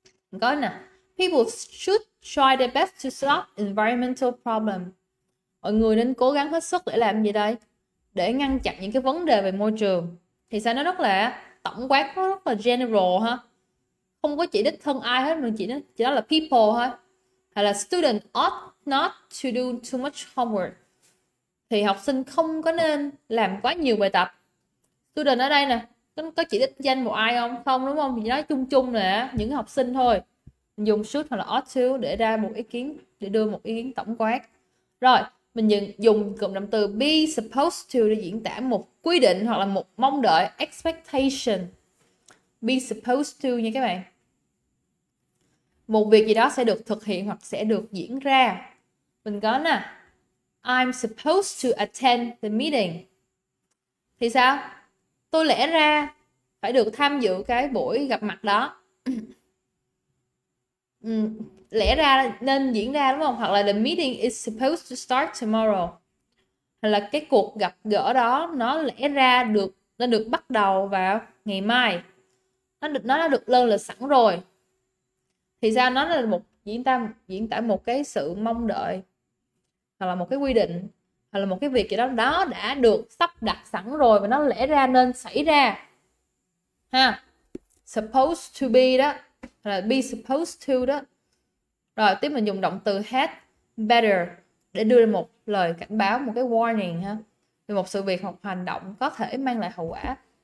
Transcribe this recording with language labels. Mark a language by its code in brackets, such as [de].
[vi] Mình có nè, [en] people should try their best to solve environmental problem. [vi] Mọi người nên cố gắng hết sức để làm gì đây? Để ngăn chặn những cái vấn đề về môi trường. Thì sao nó rất là tổng quát, nó rất là general ha. Không có chỉ đích thân ai hết, mà chỉ đó là people thôi. Hay là [en] student ought not to do too much homework. [vi] Thì học sinh không có nên làm quá nhiều bài tập. Student ở đây nè, có chỉ đích danh một ai không? Không đúng không? Thì nói chung chung nè, những học sinh thôi. Mình dùng should hoặc là ought to để ra một ý kiến, để đưa một ý kiến tổng quát. Rồi, mình dùng cụm động từ be supposed to để diễn tả một quy định hoặc là một mong đợi, expectation. Be supposed to nha các bạn. Một việc gì đó sẽ được thực hiện hoặc sẽ được diễn ra. Mình có nè, [en] I'm supposed to attend the meeting. [vi] Thì sao? Tôi lẽ ra phải được tham dự cái buổi gặp mặt đó. Lẽ ra nên diễn ra đúng không? Hoặc là [en] the meeting is supposed to start tomorrow. [vi] Hoặc là cái cuộc gặp gỡ đó nó lẽ ra được nó được bắt đầu vào ngày mai. Nó đã được lên lịch sẵn rồi. Thì ra nó là một diễn tả một cái sự mong đợi hoặc là một cái quy định. hoặc là một cái việc gì đó đó đã được sắp đặt sẵn rồi và nó lẽ ra nên xảy ra ha, supposed to be đó, là be supposed to đó. Rồi tiếp mình dùng động từ had better để đưa ra một lời cảnh báo, một cái warning ha, về một sự việc hoặc hành động có thể mang lại hậu quả.